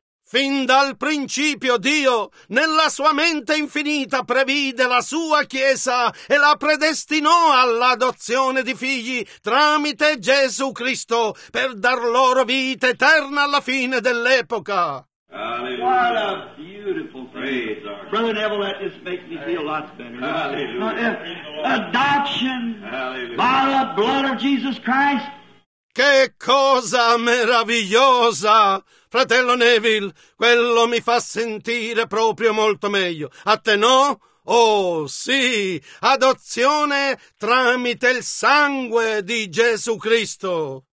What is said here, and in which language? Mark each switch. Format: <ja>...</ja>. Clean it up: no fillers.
<it>Fin dal principio Dio, nella sua mente infinita, previde la sua Chiesa e la predestinò all'adozione di figli tramite Gesù Cristo per dar loro vita eterna alla fine dell'epoca.</it> <en>What a beautiful thing. Brother Neville, that just makes me feel lots better. Adoption by the blood of Jesus Christ.</en> <it>Che cosa meravigliosa! Fratello Neville, quello mi fa sentire proprio molto meglio. A te no? Oh, sì, adozione tramite il sangue di Gesù Cristo.</it>